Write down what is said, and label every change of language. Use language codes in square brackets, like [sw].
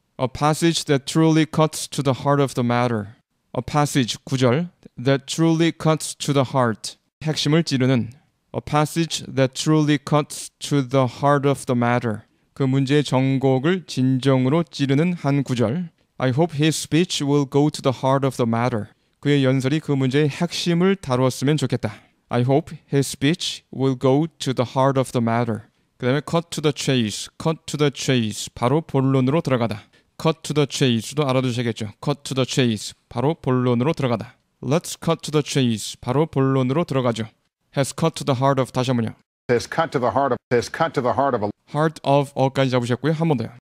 [en] A passage that truly cuts to the heart of the matter. A passage, [ko] 구절. [en] That truly cuts to the heart. [ko] 핵심을 찌르는. [en] A passage that truly cuts to the heart of the matter. [ko] 그 문제의 정곡을 진정으로 찌르는 한 구절. [en] I hope his speech will go to the heart of the matter. [ko] 그의 연설이 그 문제의 핵심을 다루었으면 좋겠다. [en] I hope his speech will go to the heart of the matter. [ko] 그 다음에 [en] cut to the chase. Cut to the chase. [ko] 바로 본론으로 들어가다. [en] Cut to the chase도 [ko] 알아두셔야겠죠. [en] Cut to the chase. [ko] 바로 본론으로 들어가다. [en] Let's cut to the chase. [ko] 바로 본론으로 들어가죠. [en] Has cut to the heart of. [ko] 다시 한 번요. [en] Has cut to the heart of. Has cut to the heart of. Heart of. [ko] 어까지 잡으셨고요. 한 번 더요.